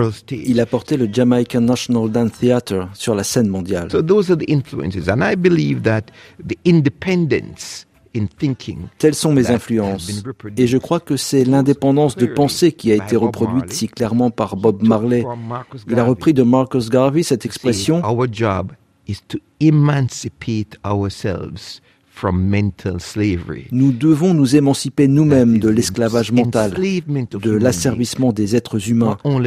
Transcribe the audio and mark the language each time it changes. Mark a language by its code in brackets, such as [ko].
[fr] Il a porté le Jamaican National Dance Theater sur la scène mondiale. [en] So those are the influences, and I believe that the independence. [fr] Telles sont mes influences, et je crois que c'est l'indépendance de pensée qui a été reproduite si clairement par Bob Marley. Il a repris de Marcus Garvey cette expression. [en] Our job is to emancipate ourselves from mental slavery. [fr] Nous devons nous émanciper nous-mêmes de l'esclavage mental, de l'asservissement des êtres humains.